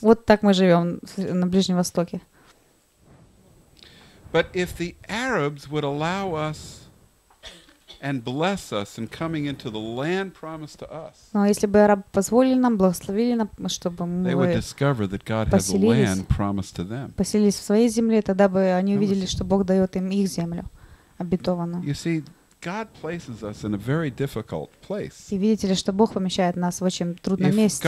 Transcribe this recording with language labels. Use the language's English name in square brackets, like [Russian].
[Russian] Вот так мы живем на Ближнем Востоке. [English] But if the Arabs would allow us and bless us in coming into the land promised to us, [Russian] но если бы арабы позволили нам, благословили нам, чтобы мы [English] they would discover that God has a land promised to them. [Russian] Поселились в своей земле, тогда бы они увидели, что Бог дает им их землю обетованную. [English] You see, God places us in a very difficult place. [Russian] И видите ли, что Бог помещает нас в очень трудном месте.